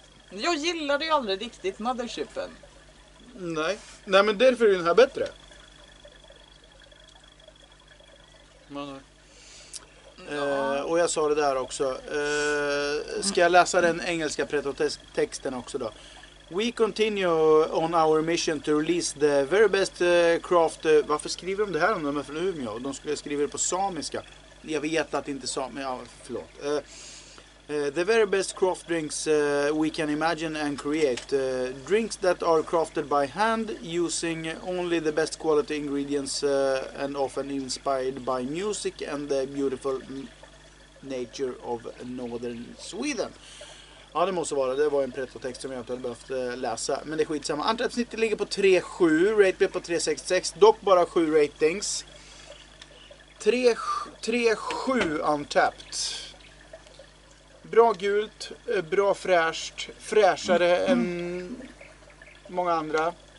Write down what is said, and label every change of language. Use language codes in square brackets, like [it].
[sv] Jag gillade ju aldrig riktigt Mothershipen. Nej. Nej, men därför är den här bättre. Men... och jag sa det där också. Ska jag läsa den engelska pretotexten också då? [en] We continue on our mission to release the very best craft. [sv] Varför skriver de det här om de är från Umeå? De skulle skriva det på samiska. Jag vet att det inte är samiska. Förlåt. [en] The very best craft drinks we can imagine and create. Drinks that are crafted by hand using only the best quality ingredients and often inspired by music and the beautiful nature of northern Sweden. [sv] Ja, det måste vara. Det var en pretotext som jag inte hade behövt läsa. Men det är skitsamma. Antalsnittet ligger på 3,7. Rate blir på 3,66. Dock bara 7 ratings. 3,7 untapped. Bra gult, bra fräscht, fräschare än många andra.